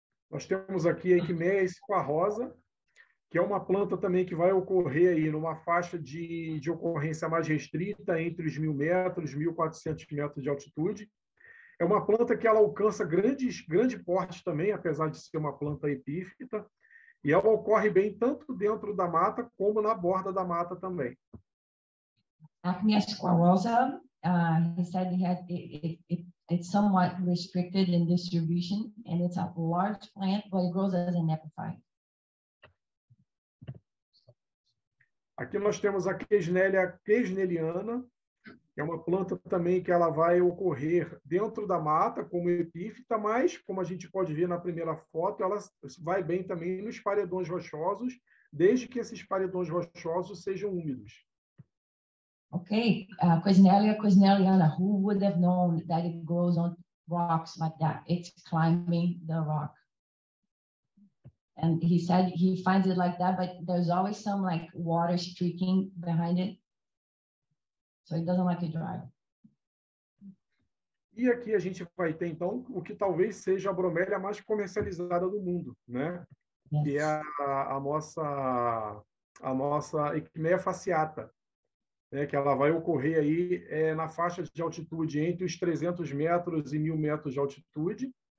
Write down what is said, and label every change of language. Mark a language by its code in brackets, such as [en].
[pt] Nós temos aqui a Acmea esquarrosa, que é uma planta também que vai ocorrer aí numa faixa de ocorrência mais restrita, entre os 1.000 metros, 1.400 metros de altitude. É uma planta que ela alcança grande porte também, apesar de ser uma planta epífita, e ela ocorre bem tanto dentro da mata como na borda da mata também. [en] Acmea squarrosa, he said it's somewhat restricted in distribution, and it's a large plant, but it grows as an epiphyte. [pt] Aqui nós temos a Quesnelia quesneliana, que é uma planta também que ela vai ocorrer dentro da mata como epífita, mas, como a gente pode ver na primeira foto, ela vai bem também nos paredões rochosos, desde que esses paredões rochosos sejam úmidos. [en] Ok, Quesnelia quesneliana, who would have known that it grows on rocks like that? It's climbing the rock. And he said he finds it like that, but there's always some like water streaking behind it. So it doesn't like it dry. [pt] E aqui a gente vai ter então o que talvez seja a bromélia mais comercializada do mundo, né? [en] Yes. [pt] Que é a nossa Acmea fasciata, né? Que ela vai ocorrer aí na faixa de altitude entre os 300 metros e 1.000 metros de altitude.